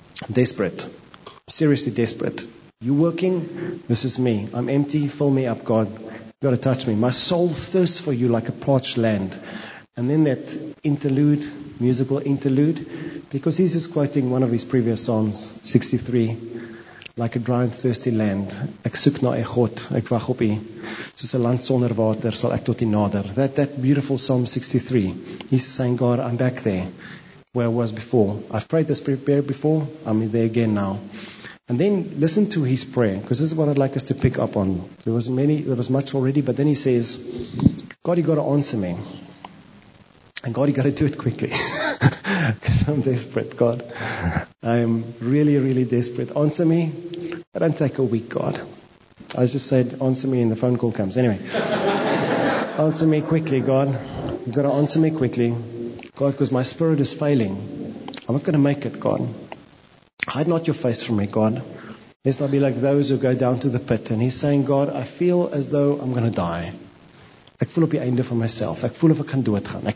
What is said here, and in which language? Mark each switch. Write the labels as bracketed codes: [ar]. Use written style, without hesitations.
[en] Desperate. Seriously desperate. You working? This is me. I'm empty. Fill me up, God. You've got to touch me. My soul thirsts for you like a parched land. And then that interlude, musical interlude, because he's just quoting one of his previous Psalms, 63, like a dry and thirsty land. [af] Ek soek na 'n God, ek wag op U. Soos 'n land sonder water sal ek tot U nader. [en] That beautiful Psalm 63. He's saying, God, I'm back there where I was before. I've prayed this prayer before. I'm there again now. And then listen to his prayer, because this is what I'd like us to pick up on. There was much already, but then he says, God, you got to answer me. And God, you got to do it quickly, because I'm desperate, God. I'm really, really desperate. Answer me. I don't take a week, God. I just said, answer me, and the phone call comes. Anyway, answer me quickly, God. You got to answer me quickly, God, because my spirit is failing. I'm not going to make it, God. Hide not your face from me, God. Let's not be like those who go down to the pit. And he's saying, God, I feel as though I'm going to die. [af] Ek voel op die einde van myself. Ek voel of ek kan doodgaan.